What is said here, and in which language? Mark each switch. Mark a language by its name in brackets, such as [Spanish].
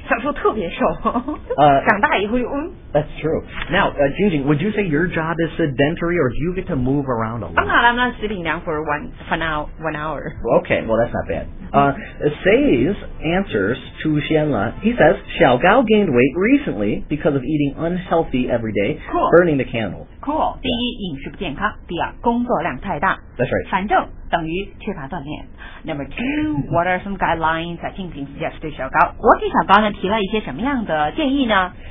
[Chinese] 那看来你们都有成为哲学家的可能啊，每天都可以坐禅。对，我小的时候一个小时候一个小邻居，小时候特别瘦，长大以后又。 [English] That's true. Now, Jingjing, would you say your job is sedentary or do you get to move around a lot? I'm not sitting down for one hour. Okay, well, that's not bad. Say's answers to Xianla, he says, Xiao Gao gained weight recently because of eating unhealthy every day, cool. burning the candle. Cool. Yeah. [Chinese] 第一,饮食不健康。第二,工作量太大。 [English] That's right. [Chinese] 反正等于缺乏锻炼。 [English] Number two, what are some guidelines that Jingjing suggests to Xiao Gao? [Chinese] 我给小高呢提了一些什么样的建议呢?